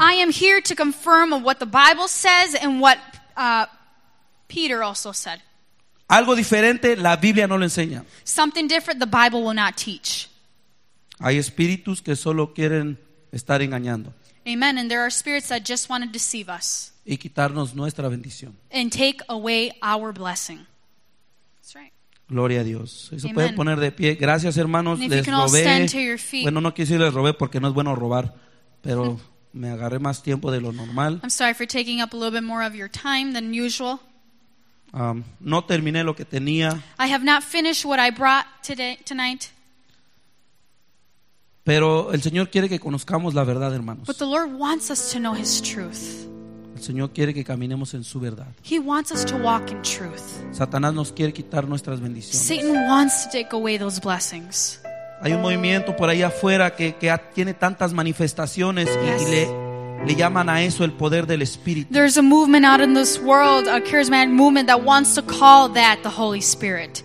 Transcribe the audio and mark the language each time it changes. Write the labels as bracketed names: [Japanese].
[English] I am here to confirm what the Bible says and what Peter also said. [Spanish] Algo diferente, la Biblia no lo enseña. [English] Something different, the Bible will not teach. [Spanish] Hay espíritus que solo quieren estar engañando. [English] Amen, and there are spirits that just want to deceive us. [Spanish] Y quitarnos nuestra bendición. [English] And take away our blessing. [Spanish] Gloria a Dios. Se puede poner de pie. Gracias, hermanos. Les robé. Bueno, no quise les robé porque no es bueno robar, pero me agarré más tiempo de lo normal. [English] I'm sorry for taking up a little bit more of your time than usual. [Spanish] No terminé lo que tenía. [English] I have not finished what I brought today tonight. [Spanish] Pero el Señor quiere que conozcamos la verdad, hermanos. [English] But the Lord wants us to know His truth. [Spanish] El Señor quiere que caminemos en su verdad. [English] He wants us to walk in truth. [Spanish] Satanás nos quiere quitar nuestras bendiciones. [English] Satan wants to take away those blessings. [Spanish] Hay un movimiento por ahí afuera que tiene tantas manifestaciones. [English] Yes. [Spanish] Y le llaman a eso el poder del Espíritu. [English] There's a movement out in this world, a charismatic movement that wants to call that the Holy Spirit.